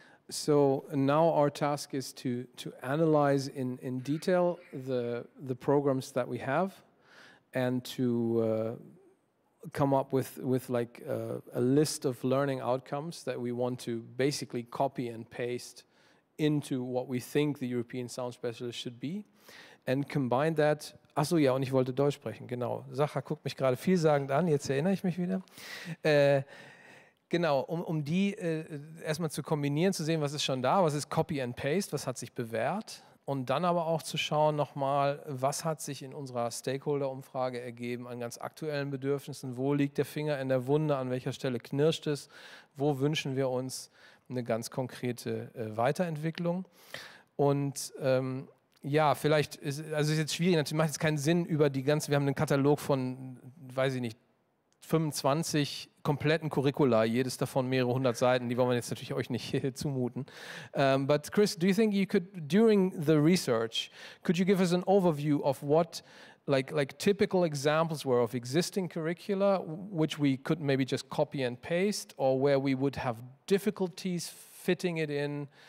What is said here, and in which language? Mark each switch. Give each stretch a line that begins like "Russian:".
English: So now our task is to analyze in detail the programs that we have and to come up with like a list of learning outcomes that we want to basically copy and paste into what we think the European Sound Specialist should be and combine that.
German: Ach so, ja, und ich wollte Deutsch sprechen, genau. Sacha guckt mich gerade vielsagend an, jetzt erinnere ich mich wieder. Genau, um die erstmal zu kombinieren, zu sehen, was ist schon da, was ist
English: Copy and Paste,
German: was hat sich bewährt und dann aber auch zu schauen nochmal, was hat sich in unserer Stakeholder-Umfrage ergeben an ganz aktuellen Bedürfnissen, wo liegt der Finger in der Wunde, an welcher Stelle knirscht es, wo wünschen wir uns eine ganz konkrete Weiterentwicklung und ja, vielleicht, ist jetzt schwierig, natürlich macht es keinen Sinn über die ganze, wir haben einen Katalog von, weiß ich nicht, 25 kompletten Curricula, jedes davon mehrere hundert Seiten, die wollen wir jetzt natürlich euch nicht zumuten.
English: But Chris, do you think you could, during the research, could you give us an overview of what like typical examples were of existing curricula, which we could maybe just copy and paste, or where we would have difficulties fitting it in?